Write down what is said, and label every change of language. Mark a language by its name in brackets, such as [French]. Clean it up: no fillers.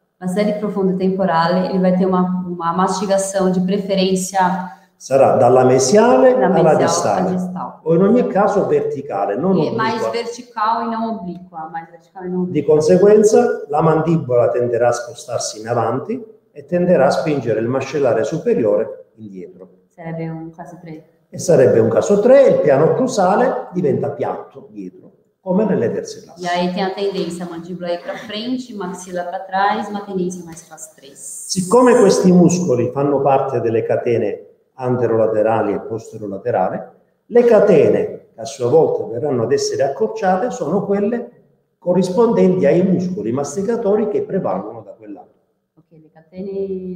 [Italian] Massetere profondo e temporale, [Portuguese] ele vai ter uma mastigação de preferência. [Italian] Sarà dalla mesiale alla distale. O in ogni caso verticale, non obliqua. [Portuguese] Mais vertical e [Italian] non obliqua. Di conseguenza, la mandibola tenderà a spostarsi in avanti e tenderà a spingere il mascellare superiore indietro. Sarebbe un caso 3. E sarebbe un caso 3, il piano occlusale diventa piatto dietro, come nelle terze classi. [Portuguese] E aí tem a tendência, mandibola aí para frente, maxila para trás, uma tendência mais classe 3. [Italian] Siccome questi muscoli fanno parte delle catene anterolaterali e posterolaterali, le catene che a sua volta verranno ad essere accorciate sono quelle corrispondenti ai muscoli masticatori che prevalgono da quel lato. Ok, le catene...